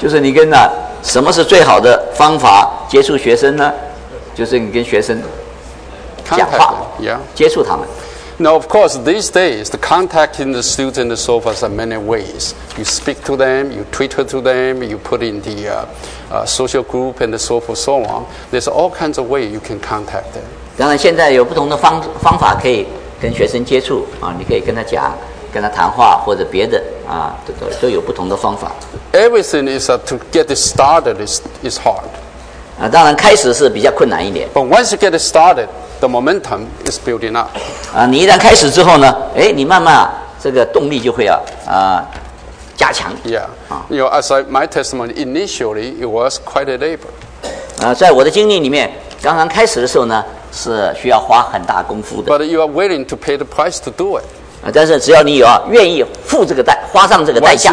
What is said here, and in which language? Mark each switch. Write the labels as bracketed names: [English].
[Chinese] 就是你跟那、什么是最好的方法接触学生呢？就是你跟学生讲话， [English] them, yeah. [Chinese] 接触他们。 [English] Now, of course, these days, the contacting the students and so forth are many ways. You speak to them, you tweet to them, you put in the social group and so forth, so on. There's all kinds of ways you can contact them. [Chinese] 当然现在有不同的方法可以跟学生接触, 你可以跟他讲, 跟他谈话, 或者别的, 都有不同的方法。 [English] Everything is to get started is hard. [Chinese] 当然开始是比较困难一点。 [English] But once you get started, the momentum is building up. [Chinese] 你一旦开始之后呢, 你慢慢这个动力就会, 加强。 Yeah. [English] You know, as my testimony, initially it was quite a labor. [Chinese] 在我的经历里面, 刚刚开始的时候呢, 是需要花很大功夫的。 [English] But you are willing to pay the price to do it. [Chinese] 但是只要你有, 愿意付这个代, 花上这个代价,